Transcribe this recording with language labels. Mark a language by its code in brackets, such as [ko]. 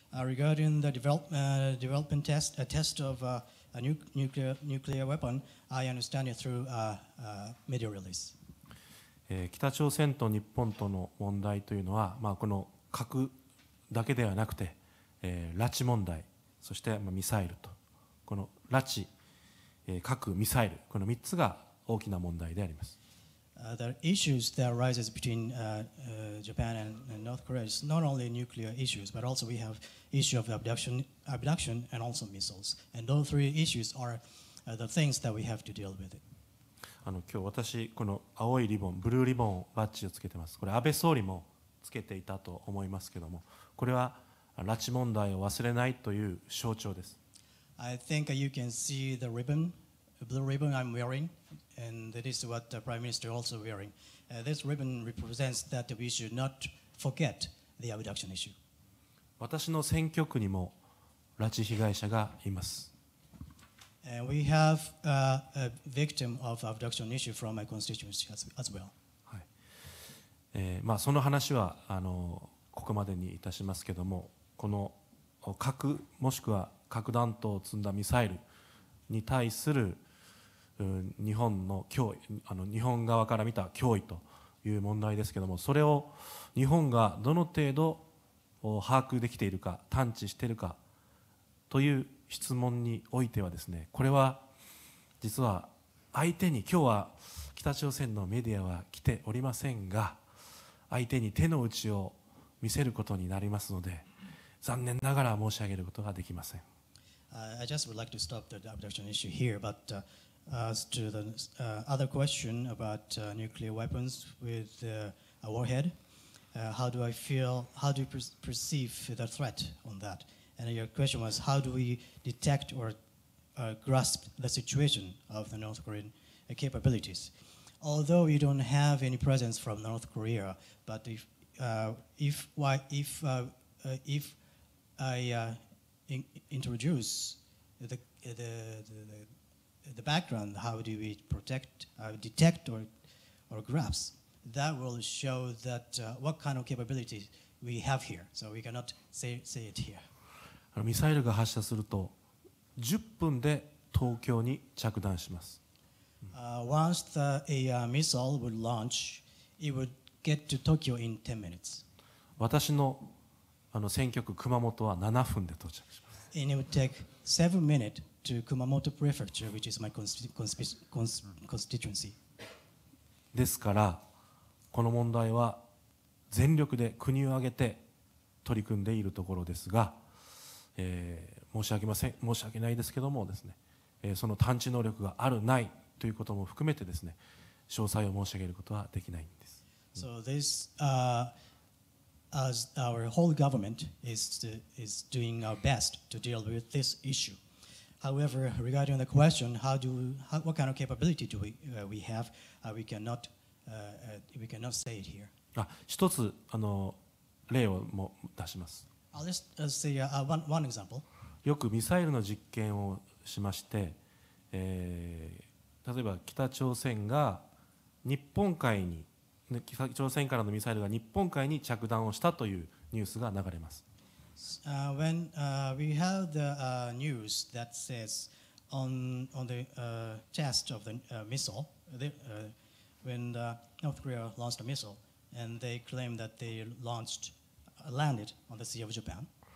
[en] Regarding the development test, a test of a nuclear weapon, I understand it through media release. [ja] 北朝鮮と日本との問題というのは、この核だけではなくて、拉致問題、そしてミサイルと、この拉致、核、ミサイル、この3つが大きな問題であります。 [en] The issues that arises between Japan and North Korea is not only nuclear issues, but also we have issue of abduction and also missiles. And those three issues are the things that we have to deal with. [ja] 今日私この青いリボン、ブルーリボンバッジをつけてます。これ安倍総理もつけていたと思いますけども、これは拉致問題を忘れないという象徴です。 [en] I think you can see the ribbon, blue ribbon I'm wearing. and that is what the Prime Minister also wearing. This ribbon represents that we should not forget the abduction issue. [ja] 私の選挙区にも拉致被害者がいます。 [en] We have a victim of abduction issue from my constituency as well. [ja] はい。まあその話はここまでにいたしますけれども、この核もしくは核弾頭を積んだミサイルに対する日本の脅威、日本側から見た脅威という問題ですけれども、それを日本がどの程度把握できているか、探知しているかという質問においてはですね、これは実は相手に、今日は北朝鮮のメディアは来ておりませんが、相手に手の内を見せることになりますので、残念ながら申し上げることができません。 [en] I just would like to stop the abduction issue here, but as to the other question about nuclear weapons with a warhead, how do I feel, how do you perceive the threat on that? And your question was, how do we detect or grasp the situation of the North Korean capabilities? Although you don't have any presence from North Korea, but if I introduce the background, how do we protect, detect, or grasp? That will show that what kind of capabilities we have here. So we cannot say it here. [ja] ミサイルが発射すると10分で東京に着弾します。 [en] Once a missile would launch, it would get to Tokyo in 10 minutes. [ja] 私の選挙区熊本は7分で到着します。 [en] And it would take 7 minutes to Kumamoto Prefecture, which is my constituency. [ja] ですから、この問題は全力で国を挙げて取り組んでいるところですが、申し訳ません、申し訳ないですけどもですね、その探知能力があるないということも含めてですね、詳細を申し上げることはできないんです。 [en] So this, as our whole government is doing our best to deal with this issue. However, regarding the question, what kind of capability do we have? We cannot say it here. [ja] 一つ例をも出します。 [en] I'll just say one example. [ja] よくミサイルの実験をしまして、例えば北朝鮮が日本海に、北朝鮮からのミサイルが日本海に着弾をしたというニュースが流れます。 [en] When we have the news that says on the test of the missile, when the North Korea launched a missile and they claim that they landed on the Sea of Japan.